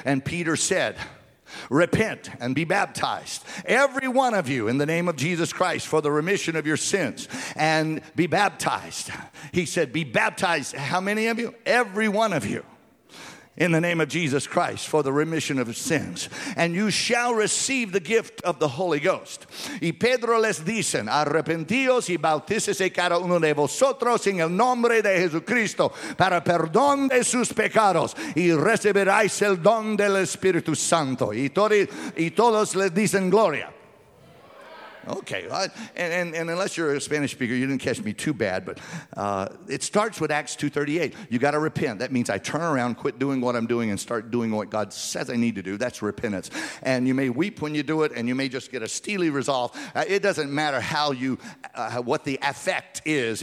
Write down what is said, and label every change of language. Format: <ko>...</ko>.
<en>And Peter said, repent and be baptized, every one of you, in the name of Jesus Christ for the remission of your sins, and be baptized. He said, be baptized. How many of you? Every one of you, in the name of Jesus Christ for the remission of sins. And you shall receive the gift of the Holy Ghost.</en> <es>Y Pedro les dicen, arrepentíos y bautícese cada uno de vosotros en el nombre de Jesucristo para perdón de sus pecados y recibiréis el don del Espíritu Santo. Y todos les dicen gloria.</es> <en>Okay. And unless you're a Spanish speaker, you didn't catch me too bad. But it starts with Acts 2:38. You got to repent. That means I turn around, quit doing what I'm doing, and start doing what God says I need to do. That's repentance. And you may weep when you do it, and you may just get a steely resolve. It doesn't matter how you, what the effect is.</en>